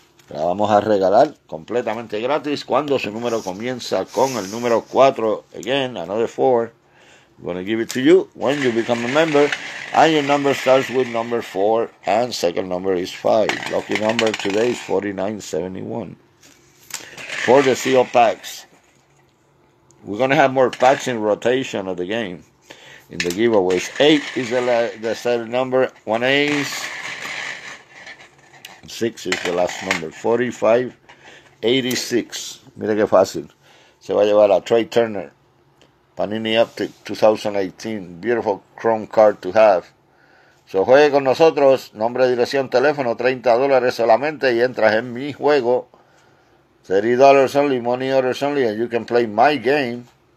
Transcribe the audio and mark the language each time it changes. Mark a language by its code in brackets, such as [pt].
[es] La vamos a regalar completamente gratis cuando su número comienza con el número 4. [en] Again, another 4. I'm going to give it to you when you become a member. And your number starts with number 4 and second number is 5. Lucky number today is 4971. For the sealed packs, we're going to have more packs in rotation of the game. In the giveaways, 8 is the set number, 1 ace, 6 is the last number, 4586. [es] Mira que fácil. Se va a llevar a Trey Turner, Panini Optic 2018. [en] Beautiful chrome card to have. [es] So juegue con nosotros, nombre, dirección, teléfono, $30 solamente y entras en mi juego. [en] $30 only, money orders only, and you can play my game.